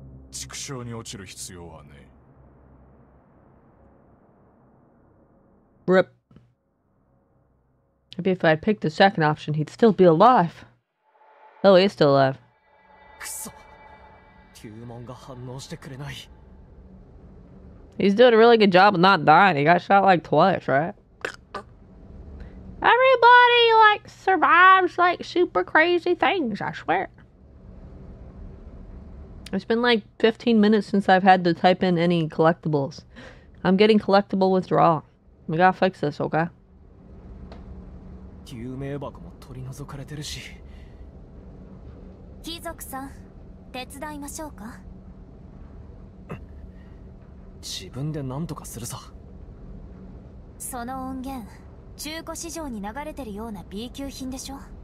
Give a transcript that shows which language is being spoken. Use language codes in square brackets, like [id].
[ja] 畜生に落ちる必要はねえ。RIP。 [en] Maybe if I picked the second option, he'd still be alive. Oh, he's still alive. [ja] クソ、テューモンが反応してくれない。 [en] He's doing a really good job of not dying. He got shot like twice, right? Everybody like survives like super crazy things, I swear. It's been like 15 minutes since I've had to type in any collectibles. I'm getting collectible withdrawal. We gotta fix this, okay? [ja] 救命箱も取り除かれてるし。貴族さん、手伝いましょうか？自分で何とかするさ。その音源、中古市場に流れてるような B 級品でしょ。